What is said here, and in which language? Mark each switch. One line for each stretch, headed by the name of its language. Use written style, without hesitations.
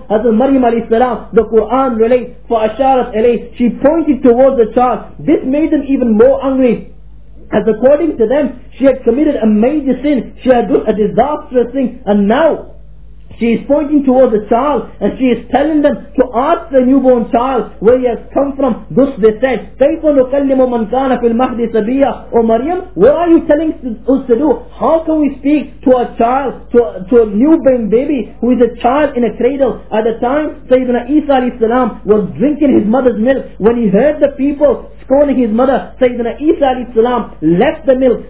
English: Hazrat Maryam alayhi salam, the Quran relates,
Arabic: فَأَشَارَتْ إِلَيْهِ,
English: she pointed towards the child. This made them even more angry, as according to them, she had committed a major sin, she had done a disastrous thing, and now she is pointing towards the child and she is telling them to ask the newborn child where he has come from. Thus they said,
Arabic: كَيْفَ نُكَلِّمُ مَنْ كَانَ فِي الْمَهْدِ سَبِيًّا.
English: "O Maryam, what are you telling us to do? How can we speak to a child, to a newborn baby who is a child in a cradle?" At the time, Sayyidina Isa alayhi salam was drinking his mother's milk. When he heard the people calling his mother, Sayyidina Isa alayhi salam left the milk.